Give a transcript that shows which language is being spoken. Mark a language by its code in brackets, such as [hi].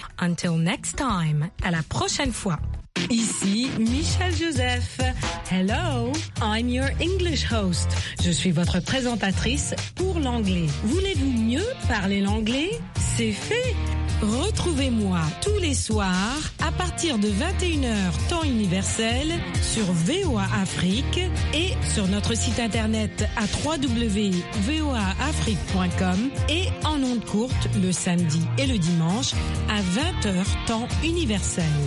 [en] Until next time, [fr] à la prochaine fois. Ici Michel Joseph. [en] Hello, I'm your English host. [fr] Je suis votre présentatrice pour l'anglais. Voulez-vous mieux parler l'anglais? C'est fait! Retrouvez-moi tous les soirs à partir de 21h temps universel sur VOA Afrique et sur notre site internet à www.voaafrique.com et en ondes courtes le samedi et le dimanche à 20h temps universel.